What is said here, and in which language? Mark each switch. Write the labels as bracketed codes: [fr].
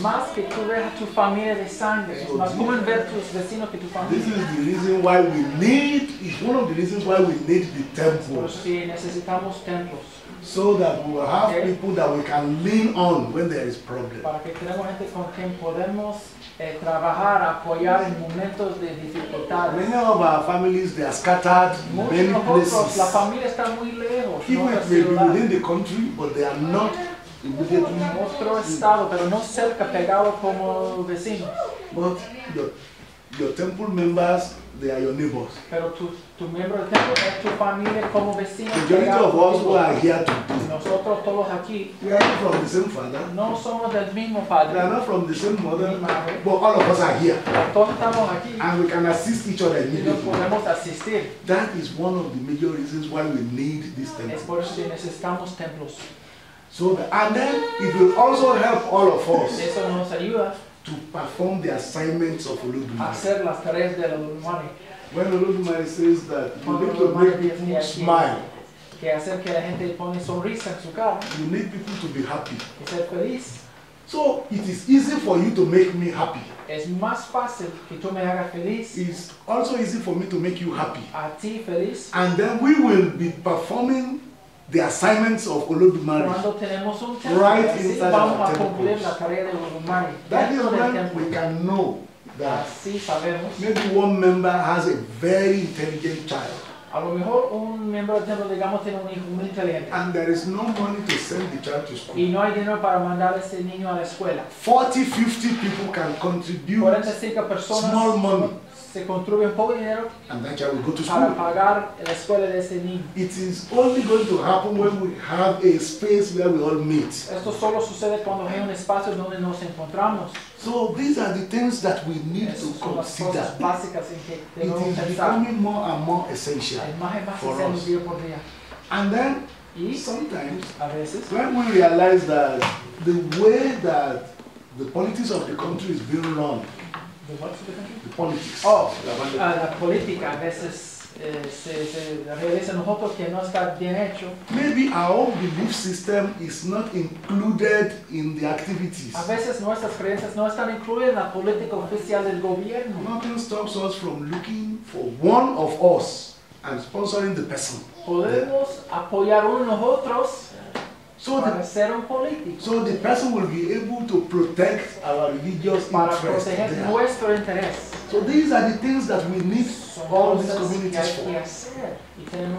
[es] Más que tú ves a tu familia de sangre, más como ver tus vecinos que tu familia. [en] This is the reason why we need. It's one of the reasons why we need the temples. [es] Pues sí, necesitamos templos. [en] So that we will have people that we can lean on when there is problem. [es] Para que tengamos gente con quien podemos trabajar, apoyar en momentos de dificultad. [en] Many of our families they are scattered [es] muchos [en] many [es] nosotros, [en] places. [es] La familia está muy lejos. [en] Even if they be within the country, but they are not. [es] Otro estado, pero no cerca, pegado como vecinos. [en] But your temple members, they are your neighbors. [es] Pero tu miembro del templo es tu familia como vecinos. [en] The majority of us who are here today. [es] Nosotros todos aquí. [en] We are not from the same father. [es] No somos del mismo padre. [en] We are not from the same mother. But all of us are here. [es] Todos estamos aquí. [en] And we can assist each other immediately. [es] Nos podemos asistir. [en] That is one of the major reasons why we need this temple. [es] Es por eso que necesitamos templos. [en] So and then it will also help all of us [es] eso nos ayuda [en] to perform the assignments of Olodumare. [es] Hacer las tareas de Olodumare. [en] When Olodumare says that you need to make people smile, [es] que hacer que la gente pone sonrisa en su cara, [en] you need people to be happy. [es] Y ser feliz. [en] So it is easy for you to make me happy. [es] Es más fácil que tú me hagas feliz. [en] It's also easy for me to make you happy. [es] A ti feliz. [en] And then we will be performing the assignments of Olodumare right inside of the temple. That is when we can know that maybe one member has a very intelligent child. [es] A lo mejor un miembro del templo, digamos, tiene un hijo muy inteligente. [en] And there is no money to send the child to school. [es] Y no hay dinero para mandar a ese niño a la escuela. [en] 40-50 people can contribute [es] 45 personas [en] small money. [es] Se contribuye un poco de dinero [en] and that child will go to [es] para [en] school. [es] Pagar la escuela de ese niño. [en] It is only going to happen when we have a space where we all meet. [es] Esto solo sucede cuando hay un espacio donde nos encontramos. [en] So these are the things that we need to consider. [es] Las cosas básicas en que [en] it is [es] pensar. [en] Becoming more and more essential for us. [es] Día por día. [en] And then [es] y [en] sometimes [es] a veces, [en] when we realize that the way that the politics of the country is being run, the what of the country? The politics. [es] Oh, la política a veces se realiza en nosotros que no está bien hecho. [en] Maybe our own belief system is not included in the activities. [es] A veces nuestras creencias no están incluidas en la política oficial del gobierno. [en] Nothing stops us from looking for one of us and sponsoring the person. [es] Podemos apoyar uno de nosotros. [en] So the person will be able to protect our religious interest. There. So these are the things that we need all these communities for.